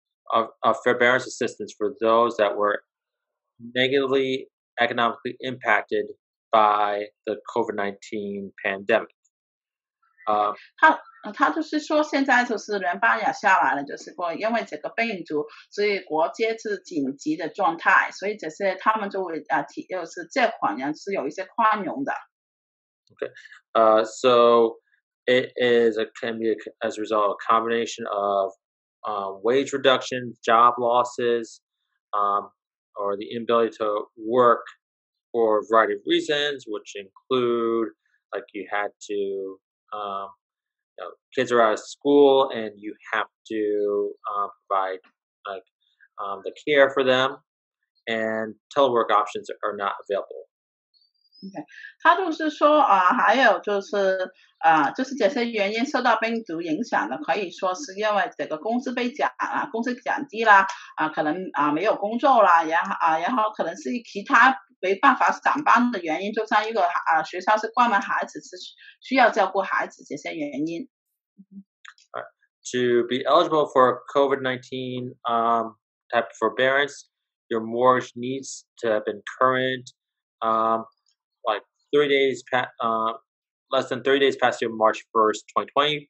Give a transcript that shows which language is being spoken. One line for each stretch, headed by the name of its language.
English: Of forbearance assistance for those that were negatively economically impacted by the COVID-19 pandemic.
Chinese: 他就是说现在就是联邦也下来了，就是说因为这个病毒，所以国家是紧急的状态，所以这些他们就会就是借款人是有一些宽容的。
English: Okay. So it is as a result of a combination of. Wage reduction, job losses, or the inability to work for a variety of reasons, which include like you had to, kids are out of school and you have to provide the care for them, and telework options are not available. Okay.
Chinese: 他就是说还有就是就是这些原因受到病毒影响的，可以说是因为这个工资被减工资减低啦可能没有工作啦然后可能是其他没办法上班的原因，就像一个学校是关门，孩子是需要照顾孩子，这些原因。
English: To be eligible for COVID-19 type forbearance, your mortgage needs to have been current. 3 days less than 3 days past your March 1st, 2020.